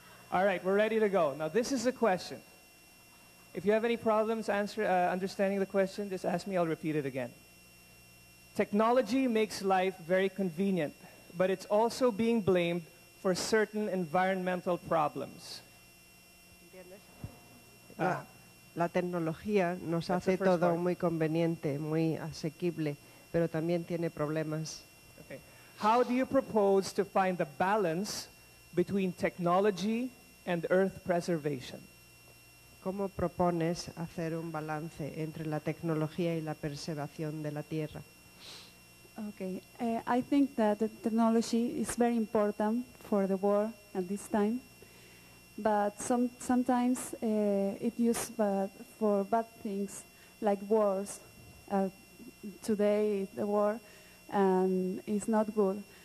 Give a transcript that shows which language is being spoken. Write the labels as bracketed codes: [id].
[en] All right, we're ready to go. Now, this is a question. If you have any problems understanding the question, just ask me, I'll repeat it again. Technology makes life very convenient, but it's also being blamed for certain environmental problems. [es] La tecnología nos hace todo muy conveniente, muy asequible, pero también tiene problemas. [en] Okay. How do you propose to find the balance between technology and earth preservation? [es] ¿Cómo propones hacer un balance entre la tecnología y la preservación de la tierra? [en] Okay, I think that the technology is very important for the world at this time, but sometimes it used for bad things like wars. Today the war is not good.